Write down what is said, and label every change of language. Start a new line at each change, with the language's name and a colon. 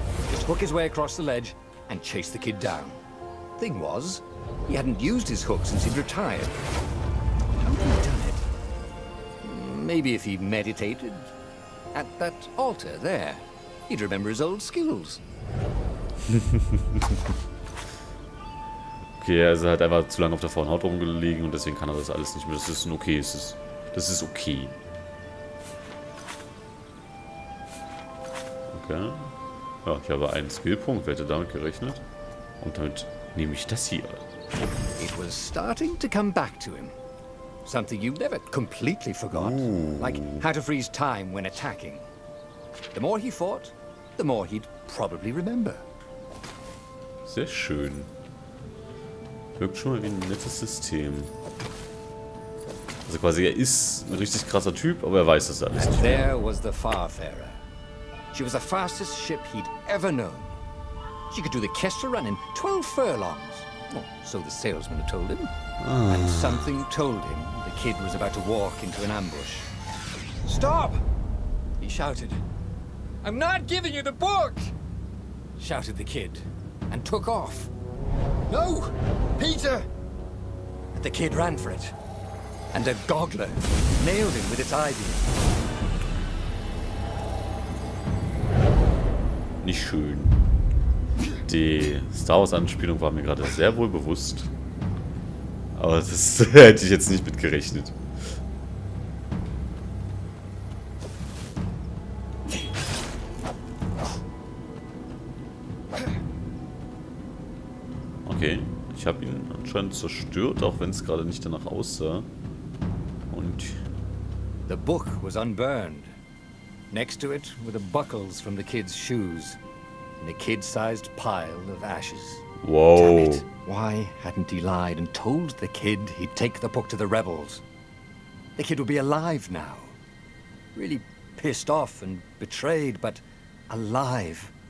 English: Just hook his way across the ledge and chase the kid down. Thing was, he hadn't used his hook since he'd retired. How had he done it? Maybe if he meditated at that altar there, he'd remember his old skills.
German: Okay, also er hat einfach zu lange auf der Vorhaut rumgelegen und deswegen kann er das alles nicht mehr. Das ist okay, das ist okay. Okay. Ja, ich habe einen Skillpunkt, wer hätte damit gerechnet? Und damit nehme ich das hier.
English: It was starting to come back to him. Something you never completely forgot. Ooh. Like how to freeze time when attacking. The more he fought, the more he'd probably remember.
German: Sehr schön. Wirkt schon mal wie ein nettes System. Also quasi, er ist ein richtig krasser Typ, aber er weiß das alles nicht.
English: And there was the Farfarer. She was the fastest ship he'd ever known. She could do the Kessel run in 12 furlongs. Well, so the salesman had told him. And something told him the kid was about to walk into an ambush. Stop! He shouted. I'm not giving you the book! Shouted the kid and took off. No! Peter! But the kid ran for it. And a goggler nailed him with its eye beam.
German: Nicht schön. Die Star Wars-Anspielung war mir gerade sehr wohl bewusst. Aber das hätte ich jetzt nicht mit gerechnet. Okay, ich habe ihn anscheinend zerstört, auch wenn es gerade nicht danach aussah. Und...
English: The book was unburned. Next to it were the buckles from the kid's shoes. In a kid-sized pile of ashes. Whoa. Damn it. Why hadn't he lied and told the kid he'd take the book to the rebels? The kid will be alive now. Really pissed off and betrayed, but alive.